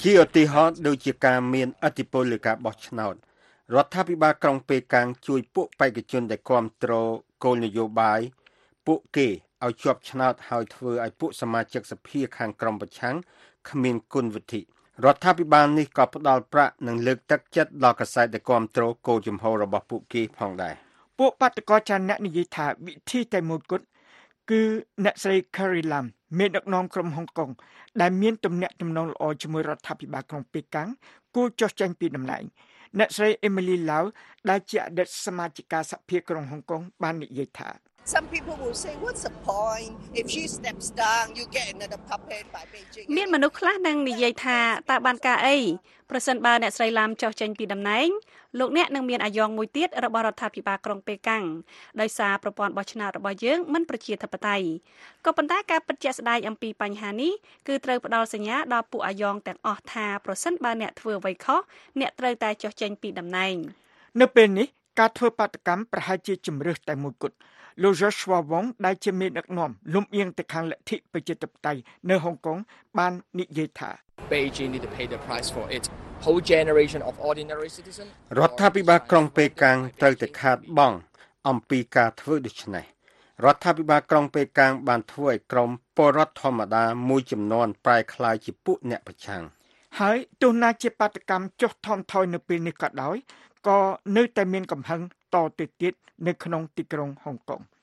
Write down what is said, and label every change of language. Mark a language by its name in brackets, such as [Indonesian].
[Khmer] ជាឧទាហរណ៍ដូចជាការមានអធិបតេយ្យលើការបោះឆ្នោតរដ្ឋាភិបាលក្រុងប៉េកាំងជួយពួកបេក្ខជនដែលគ្រប់គ្រងគោលនយោបាយពួកគេឲ្យជាប់ឆ្នោតហើយធ្វើឲ្យពួកសមាជិកសភាខាងក្រុមប្រឆាំងគ្មានគុណវុឌ្ឍិរដ្ឋាភិបាលនេះក៏ផ្ដល់ប្រាក់និងលើកទឹកចិត្តដល់កសិករដែលគ្រប់គ្រងគោលជំហររបស់ពួកគេផងដែរ ពួកបាតុករចារអ្នកនិយាយថាវិធីតែមួយគត់គឺអ្នកស្រី Carrie Lam មេដឹកនាំក្រុមហុងកុងដែលមានទំនាក់ទំនងល្អជាមួយរដ្ឋាភិបាលក្រុងប៉េកាំងគួរចោះចាញ់ពីតំណែងអ្នកស្រី Emily Lau ដែលជាអតីតសមាជិកាសភាក្រុងហុងកុងបាននិយាយថា [English] Some people will say what's the point if she steps down you get another puppet by Beijing [Khmer] មានមនុស្សខ្លះនឹងនិយាយថាតើបានការអីប្រសិនបើអ្នកស្រី Lam ចោះចាញ់ពីតំណែងលោកអ្នកនឹងមានអាយ៉ងមួយទៀតរបស់រដ្ឋាភិបាលក្រុងប៉េកាំងដោយសារប្រព័ន្ធបោះឆ្នោតរបស់យើងមិនប្រជាធិបតេយ្យក៏ប៉ុន្តែការពិតជាក់ស្ដែងអំពីបញ្ហានេះគឺត្រូវផ្ដល់សញ្ញាដល់ពួកអាយ៉ងទាំងអស់ថាប្រសិនបើអ្នកធ្វើអ្វីខុសអ្នកត្រូវតែចោះចេញពីតំណែង នៅពេលនេះការធ្វើបដកម្មប្រហែលជាជំរឿសតែមួយគត់លោក Joshua Wong ដែលជាមេដឹកនាំលំអៀងទៅខាងលទ្ធិប្រជាធិបតេយ្យនៅហុងកុងបាននិយាយថា [English] Beijing need to pay the price for itwhole generation of ordinary citizens [Khmer] រដ្ឋាភិបាលក្រុងប៉េកាំងត្រូវតែខាតបង់អំពីការធ្វើដូច្នេះរដ្ឋាភិបាលក្រុងប៉េកាំងបានធ្វើឲ្យក្រុមពលរដ្ឋធម្មតាមួយចំនួនប្រែក្លាយជាពួកអ្នកប្រឆាំង ហើយទោះណាជាបដកម្មចុះថមថយនៅពេលនេះក៏ដោយក៏នៅតែមានកំហឹងតទៅទៀតនៅក្នុងទីក្រុងហុងកុង